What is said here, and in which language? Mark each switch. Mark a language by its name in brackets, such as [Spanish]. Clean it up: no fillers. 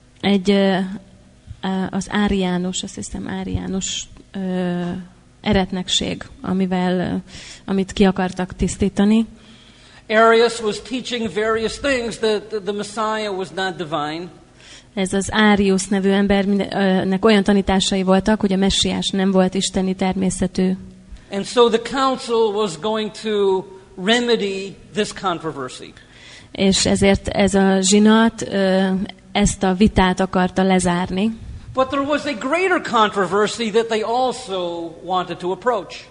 [Hungarian] Egy az Áriánus, azt hiszem Áriánus eretnekség, amit ki akartak tisztítani. [English] Arius was teaching various things that the Messiah was not divine. [Hungarian] Ez az Arius nevű embernek olyan tanításai voltak, hogy a Messiás nem volt isteni természetű. [English] And so the council was going to remedy this controversy. [Hungarian] És ezért ez a zsinat ezt a vitát akarta lezárni. [English] But there was a greater controversy that they also wanted to approach.